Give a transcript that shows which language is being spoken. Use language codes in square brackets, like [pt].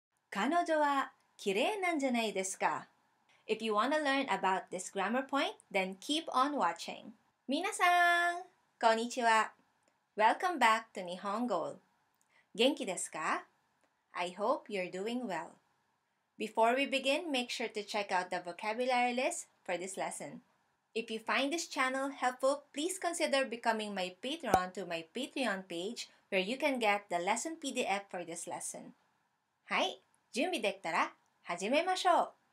[ja] 彼女は綺麗なんじゃないですか。 [en] If you want to learn about this grammar point, then keep on watching. [ja] みなさん、こんにちは。 [en] Welcome back to NihonGoal. [ja] 元気ですか? [en] I hope you're doing well. Before we begin, make sure to check out the vocabulary list for this lesson. If you find this channel helpful, please consider becoming my patron to my Patreon page where you can get the lesson PDF for this lesson. [ja] はい、準備できたら始めましょう。